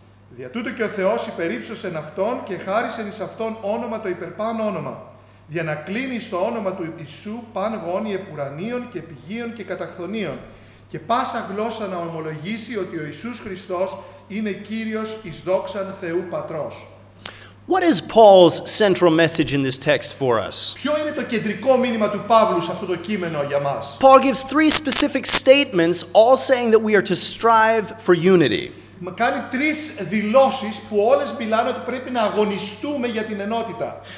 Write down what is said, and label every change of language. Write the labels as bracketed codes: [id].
[el] Δια τούτο και ο Θεός υπερήψωσεν αυτόν και χάρισεν εις αυτόν όνομα το υπερπάνω όνομα, για να κλείνει στο όνομα του Ιησού παν γόνι επουρανίων και πηγίων και καταχθονίων και πάσα γλώσσα να ομολογήσει ότι ο Ιησούς Χριστός είναι Κύριος εις δόξαν Θεού Πατρός. [en] What is Paul's central message in this text for us? [el] Ποιο είναι το κεντρικό μήνυμα του Παύλου σε αυτό το κείμενο για μας? [en] Paul gives three specific statements, all saying that we are to strive for unity. [el] Μα κάνει τρεις δηλώσεις που όλες μιλάνε ότι πρέπει να αγωνιστούμε για την ενότητα.